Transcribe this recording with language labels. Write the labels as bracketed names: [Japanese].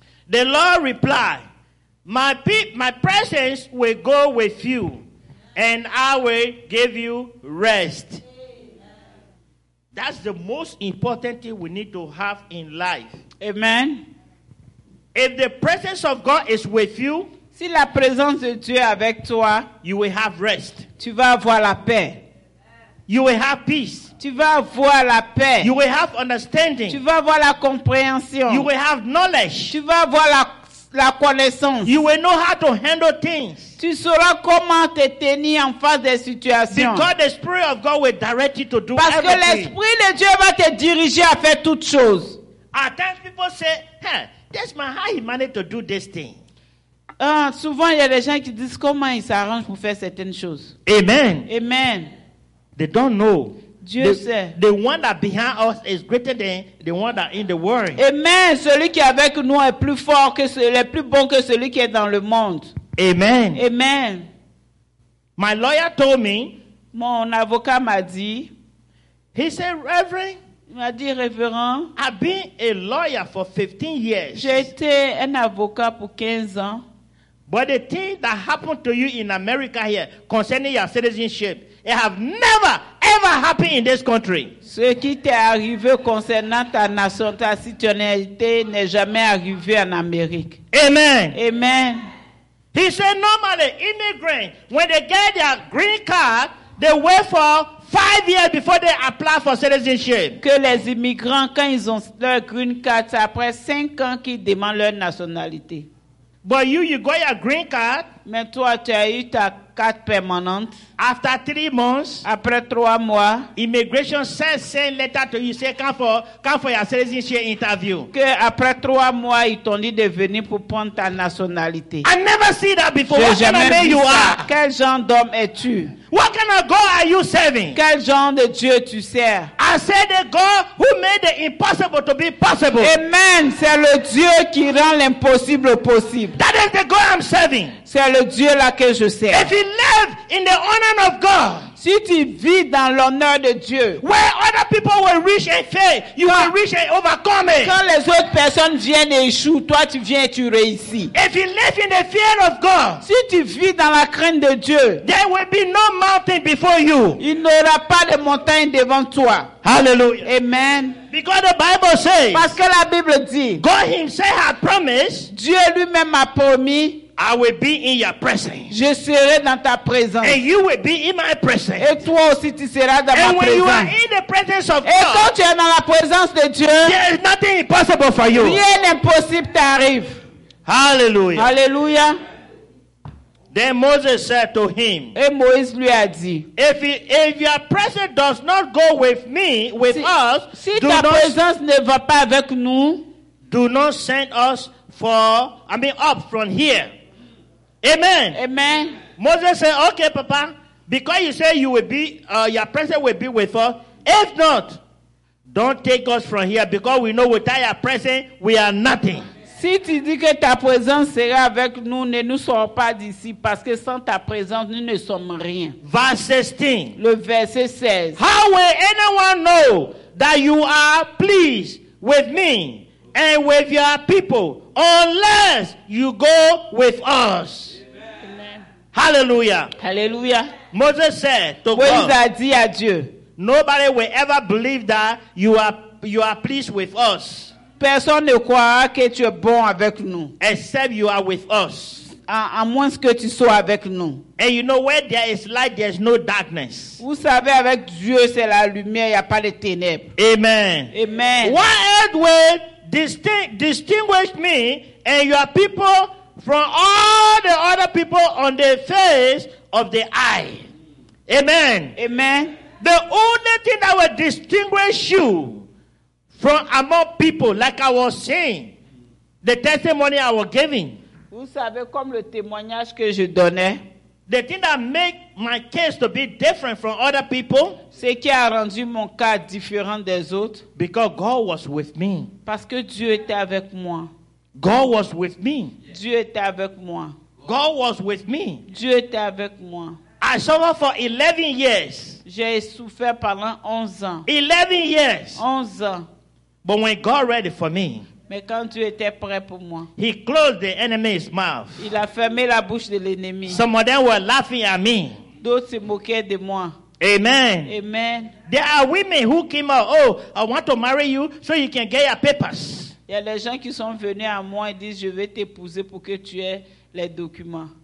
[English] The Lord replied, My presence will go with you, and I will give you rest." That's the most important thing we need to have in life. Amen. If the presence of God is with you, [French] si la présence de Dieu est avec toi, [English] you will have rest. [French] Tu vas avoir la paix. [English] You will have peace. [French] Tu vas avoir la paix. [English] You will have understanding. [French] Tu vas avoir la compréhension. [English] You will have knowledge. [French] Tu vas avoir la connaissance. [English] You will know how to handle things. [French] Tu sauras comment te tenir en face des situations. [English] Because the Spirit of God will direct you to do [French] Parce [English] everything. [French] Que l'Esprit de Dieu va te diriger à faire toutes choses. [English] At times people say, this man, how he managed to do this thing? [French] Souvent, il y a des gens qui disent comment ils s'arrangent pour faire certaines choses. Amen. Amen. [English] They don't know. [French] Dieu sait. [English] The one that behind us is greater than the one that in the world. Amen. [French] Celui qui est avec nous est plus fort que celui, plus bon que celui qui est dans le monde. Amen. Amen. [English] My lawyer told me. [French] Mon avocat m'a dit. [English] He said, Reverend. [French] Il m'a dit, Révérend. [English] I've been a lawyer for 15 years. [French] J'ai été un avocat pour 15 ans. [English] But the thing that happened to you in America here concerning your citizenship, it have never ever happened in this country. [French] Ce qui t'est arrivé concernant ta nation, ta citoyenneté n'est jamais arrivé en Amérique. Amen. Amen. [English] He said normally immigrants, when they get their green card, they wait for 5 years before they apply for citizenship. [French] Que les immigrants, quand ils ont leur green card, c'est après 5 ans qu'ils demandent leur nationalité. [English] But you got your green card. [French] Mais toi, tu as eu ta carte permanente. [English] After 3 months, [French] après 3 mois, [English] immigration send letter to you, say come for your citizenship interview. [French] Que après 3 mois, ils t'ont dit de venir pour prendre ta nationalité. [English] I never see that before. [French] J'ai [English] what kind of man you are? [French] Quel genre d'homme es-tu? [English] What kind of God are you serving? [French] Quel genre de Dieu tu sers? [English] I say the God who made the impossible to be possible. [French] Amen. C'est le Dieu qui rend l'impossible possible. [English] That is the God I'm serving. [French] C'est le Dieu là que je sers. [English] If you live in the honor of God. [French] Si tu vis dans l'honneur de Dieu. [English] Where other people were rich and fail, you are rich and overcome. [French] Quand les autres personnes viennent et échouent, toi tu viens et tu réussis. [English] If you live in the fear of God. [French] Si tu vis dans la crainte de Dieu. [English] There will be no mountain before you. [French] Il n'y aura pas de montagne devant toi. Hallelujah. Amen. [English] Because the Bible says. [French] Parce que la Bible dit. [English] God himself has promised. [French] Dieu lui-même a promis. [English] I will be in your presence. [French] Je serai dans ta présence. [English] And you will be in my presence. [French] Et toi aussi tu seras dans [English] and [French] ma présence. [English] And when you are in the presence of [French] et [English] God. [French] Et quand tu es dans la présence de Dieu. [English] There is nothing impossible for you. [French] Rien d'impossible t'arrive. Hallelujah. Hallelujah. [English] Then Moses said to him. [French] Et Moïse lui a dit. [English] If your presence does not go with me, with us. [French] Si ta présence ne va pas avec nous. [English] Do not send us up from here. Amen. Amen. Moses said, okay, Papa, because you say you will be, your presence will be with us. If not, don't take us from here because we know without your presence, we are nothing. [French] Si tu dis que ta présence sera avec nous, ne nous sors pas d'ici, parce que sans ta présence, nous ne sommes rien. [English] Verse 16. [French] Le verset 16. [English] How will anyone know that you are pleased with me and with your people unless you go with us? Amen. Hallelujah. Hallelujah. Moses said to God, [French] Moïse a dit à Dieu, [English] nobody will ever believe that you are pleased with us. [French] Personne ne croira que tu es bon avec nous. [English] Except you are with us. [French] À moins que tu sois avec nous. [English] And you know where there is light, there is no darkness. [French] Vous savez, avec Dieu, c'est la lumière, il n'y a pas de ténèbres. Amen. Amen. [English] What else will distinguish me and your people from all the other people on the face of the eye? Amen. Amen. The only thing that will distinguish you from among people, like I was saying, the testimony I was giving. [French] Vous savez, comme le témoignage que je donnais, [English] the thing that make my case to be different from other people, [French] ce qui a rendu mon cas différent des autres, [English] because God was with me. [French] Parce que Dieu était avec moi. [English] God was with me. [French] Dieu était avec moi. [English] God was with me. [French] Dieu était avec moi. [English] I suffered for 11 years. [French] J'ai souffert pendant 11 ans. [English] 11 years. [French] 11 ans. [English] But when God ready for me, [French] mais quand Dieu était prêt pour moi, [English] he closed the enemy's mouth. [French] Il a fermé la bouche de l'ennemi. [English] Some of them were laughing at me. [French] D'autres se moquaient de moi. Amen. Amen. [English] There are women who came out, oh, I want to marry you so you can get your papers. [French] Il y a des gens qui sont venus à moi et disent, je vais t'épouser pour que tu aies les documents.